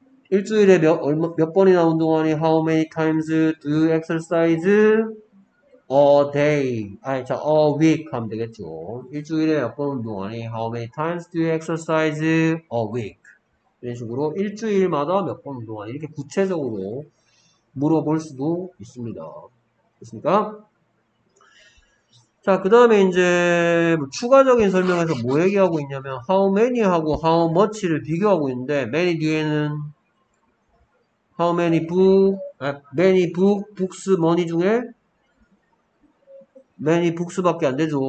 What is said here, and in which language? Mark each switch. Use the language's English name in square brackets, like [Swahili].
[Korean] 일주일에 몇 번이나 운동하니? [English] How many times do you exercise a day? [Korean] 아니, 자, [English] a week [Korean] 하면 되겠죠. 일주일에 몇 번 운동하니? [English] How many times do you exercise a week? [Korean] 이런 식으로 일주일마다 몇 번 운동하니? 이렇게 구체적으로 물어볼 수도 있습니다. 됐습니까? 자, 그 다음에 이제 뭐 추가적인 설명에서 뭐 얘기하고 있냐면 [English] how many [Korean] 하고 [English] how much [Korean] 를 비교하고 있는데 many 뒤에는 how many book, 아, many book, books, money 중에 [English] many books [Korean] 밖에 안 되죠.